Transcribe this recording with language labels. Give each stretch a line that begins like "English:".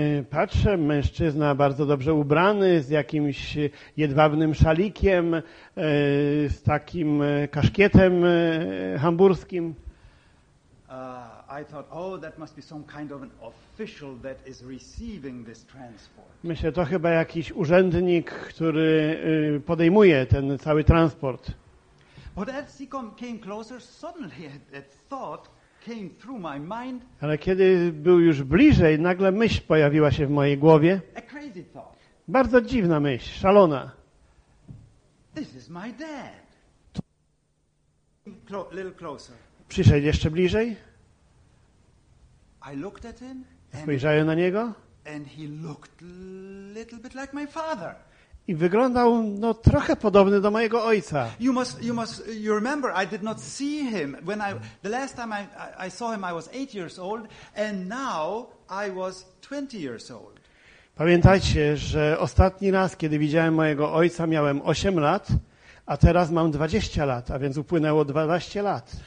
Polish: Patrzę, mężczyzna bardzo dobrze ubrany, z jakimś jedwabnym szalikiem, z takim kaszkietem hamburskim.
English: I thought, oh, that must be some kind of an official that is receiving this transport.
Polish: Myślę, to chyba jakiś urzędnik, który podejmuje ten cały transport.
English: But as he came closer, suddenly a thought came through my mind.
Polish: Ale kiedy był już bliżej, nagle myśl pojawiła się w mojej głowie.
English: A crazy thought.
Polish: Bardzo dziwna myśl, szalona.
English: This is my dad. Little closer.
Polish: Przyszedł jeszcze bliżej.
English: I looked at him.
Polish: Spojrzałem na niego.
English: And he looked little bit like my father.
Polish: I wyglądał no trochę podobny do mojego ojca.
English: You remember I did not see him when the last time I saw him I was 8 years old and now I was 20 years old.
Polish: Pamiętajcie, że ostatni raz kiedy widziałem mojego ojca miałem 8 lat, a teraz mam 20 lat, a więc upłynęło 12 lat.